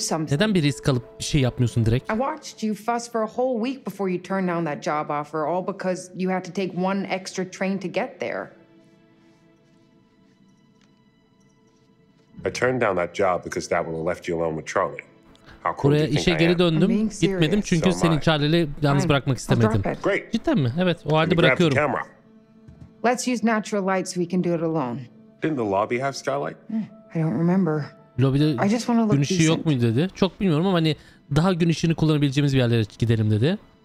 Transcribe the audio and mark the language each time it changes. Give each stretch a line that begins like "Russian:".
Turkish: Neden bir risk alıp bir şey yapmıyorsun direkt?
English: I watched you fuss for a whole week before you turned down that job offer, all because you had to take one extra train to get there. I turned down that job because that would have left you alone with Charlie. How cool
Turkish: buraya işe geri döndüm. Gitmedim çünkü so seni Charlie'le yalnız bırakmak istemedim.
English: Great.
Turkish: Cidden mi? Evet, o halde bırakıyorum.
English: Let's use natural light so we can do it alone. Didn't the lobby have skylight? I don't remember.
Turkish: Lobide
English: I just want to look decent.
Turkish: Güneşi yok muydu dedi. Çok bilmiyorum ama hani daha güneşini kullanabileceğimiz bir yerlere gidelim dedi.